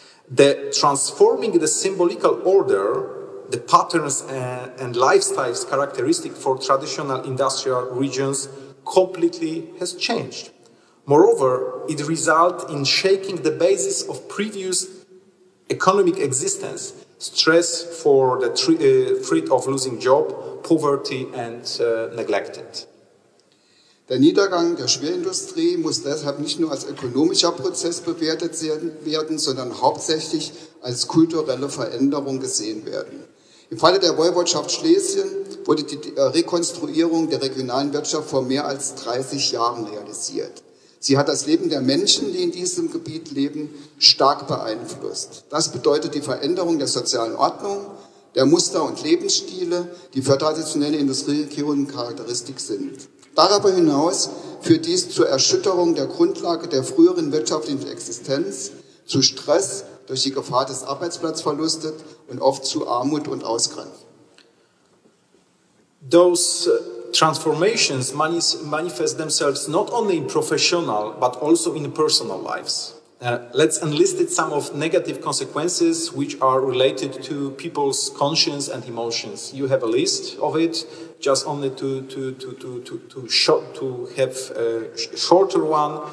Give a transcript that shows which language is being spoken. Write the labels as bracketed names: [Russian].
[English] The transforming the symbolical order, the patterns and lifestyles characteristic for traditional industrial regions completely has changed. Moreover, it results in shaking the basis of previous economic existence, stress for the threat of losing job, poverty and neglected. [German] Der Niedergang der Schwerindustrie muss deshalb nicht nur als ökonomischer Prozess bewertet werden, sondern hauptsächlich als kulturelle Veränderung gesehen werden. Im Falle der Woiwodschaft Schlesien wurde die Rekonstruierung der regionalen Wirtschaft vor mehr als 30 Jahren realisiert. Sie hat das Leben der Menschen, die in diesem Gebiet leben, stark beeinflusst. Das bedeutet die Veränderung der sozialen Ordnung, der Muster und Lebensstile, die für traditionelle Industrieregionen Charakteristik sind. Darüber hinaus führt dies zur Erschütterung der Grundlage der früheren wirtschaftlichen Existenz, zu Stress durch die Gefahr des Arbeitsplatzverlustes und oft zu Armut und Ausgrenzung. [English] Those transformations manifest themselves not only in professional, but also in personal lives. Let's enlist some of negative consequences which are related to people's conscience and emotions. You have a list of it, just only to have a shorter one.